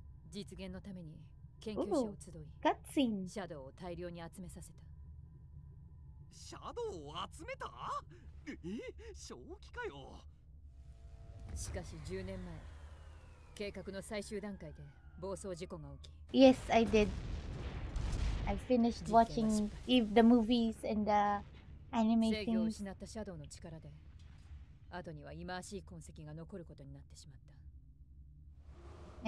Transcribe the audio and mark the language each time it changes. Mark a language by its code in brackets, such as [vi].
[ja] 実現のために。研究者を集い、ガッツイン。シャドウを大量に集めさせた。シャドウを集めた？え？正気かよ。しかし10年前、計画の最終段階で暴走事故が起き。 [en] Yes, I did. I finished watching the movies and the anime things. [ja] 制御を失ったシャドウの力で、後には忌まわしい痕跡が残ることになってしまった。